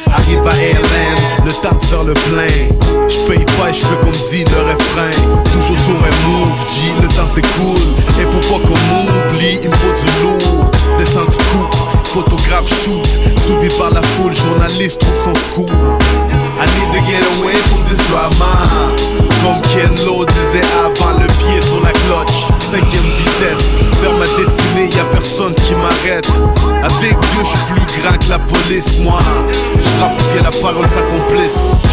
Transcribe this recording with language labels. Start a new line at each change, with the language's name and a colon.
French: Arrive à Airland, le temps de faire le plein. J'paye pas et j'fais comme dit le refrain. Toujours sur un move, G, le temps c'est cool. Et pour pas qu'on m'oublie, il me faut du lourd. Descente coupe, photographe shoot. Suivi par la foule, journaliste trouve son scoop.
English: I need to get away from this drama.
French: Comme Ken Lo disait avant, le pied sur la clutch. Cinquième vitesse, vers ma destinée, y'a personne qui m'arrête. Avec Dieu, j'suis plus grand. craint que la police. Moi, je rappe pour que la parole s'accomplisse.